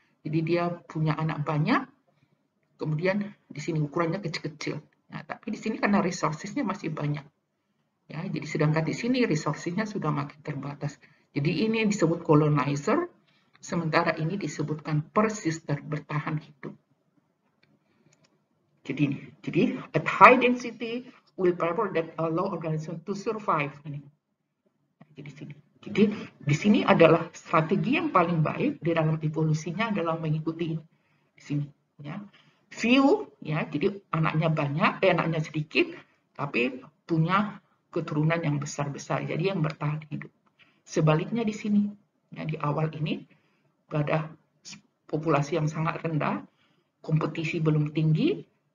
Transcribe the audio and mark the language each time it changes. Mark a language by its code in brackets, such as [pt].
[id] Jadi dia punya anak banyak. Kemudian di sini ukurannya kecil-kecil. Nah, tapi di sini karena resourcesnya masih banyak. Ya, jadi sedangkan di sini resourcesnya sudah makin terbatas. Jadi ini disebut colonizer, sementara ini disebutkan persister bertahan hidup. Jadi [en] at high density will prefer that allow organism to survive. [id] Ini. Jadi di sini adalah strategi yang paling baik di dalam evolusinya adalah mengikuti ini. Di sini ya. Few ya, jadi anaknya banyak, anaknya sedikit tapi punya keturunan yang besar-besar. Jadi yang bertahan hidup. Sebaliknya di sini ya, di awal ini pada populasi yang sangat rendah, kompetisi belum tinggi.